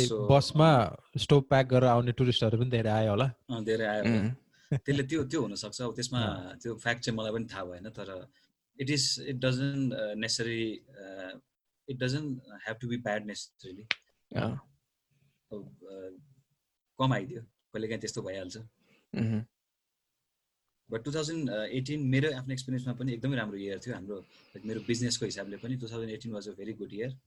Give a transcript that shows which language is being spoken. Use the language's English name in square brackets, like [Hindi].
[Nepali] बसमा stop pack गरेर आउने टुरिस्टहरू पनि धेरै आयो होला, धेरै आयो त्यसले त्यो त्यो हुनसक्छ. अब त्यसमा त्यो फ्याक्ट चाहिँ मलाई पनि थाहा भएन, तर [English] It is it doesn't necessary it doesn't have to be bad necessarily. [Nepali] कम आइदियो, कहिले काहीँ त्यस्तो भइहाल्छ. बट 2018 मेरो आफ्नो एक्सपिरियन्समा पनि एकदमै राम्रो इयर थियो हाम्रो, मेरो बिजनेसको हिसाबले पनि [English] 2018 was a very good year